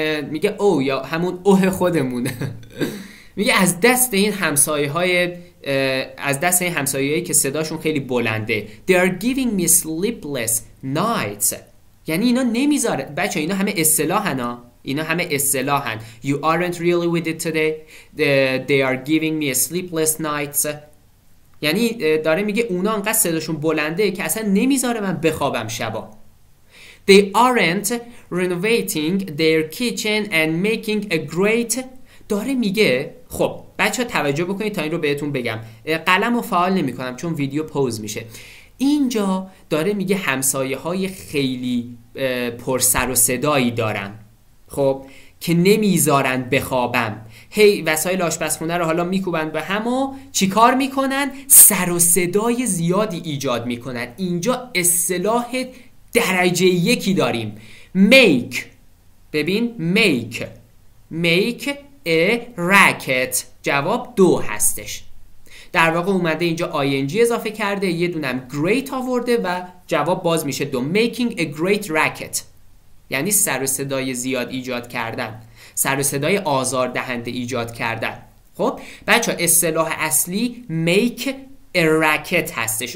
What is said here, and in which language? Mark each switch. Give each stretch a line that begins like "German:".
Persian: میگه او، یا همون اوه خودمونه. میگه از دست این همسایه‌های، از دست این همسایه‌هایی که صداشون خیلی بلنده.
English: They are giving me sleepless nights.
Persian: یعنی اینا نمیذاره. بچه اینا همه اصطلاحن ها، اینا همه اصطلاحن.
English: You aren't really with it today. They are giving me sleepless nights.
Persian: یعنی داره میگه اونا انقدر صداشون بلنده که اصلا نمیذاره من بخوابم شبا.
English: They aren't renovating their kitchen and making a great.
Persian: داره میگه، خب بچه ها توجه بکنید تا این رو بهتون بگم، قلم رو فعال نمی کنم چون ویدیو پوز میشه. اینجا داره میگه همسایه های خیلی پر سر و صدایی دارن، خب که نمیذارن بخوابم. هی وسایل آشپزخونه رو حالا میکوبن به هم و چی کار میکنن؟ سر و صدای زیادی ایجاد میکنن. اینجا اصطلاح درجه یکی داریم. make، ببین
English: make a racket،
Persian: جواب 2 هستش. در واقع اومده اینجا ing اضافه کرده، یه دونم great آورده و جواب باز میشه 2.
English: making a great racket
Persian: یعنی سر و صدای زیاد ایجاد کردن، سر و صدای آزار دهنده ایجاد کردن. خب بچه ها اصطلاح اصلی
English: make a racket
Persian: هستش.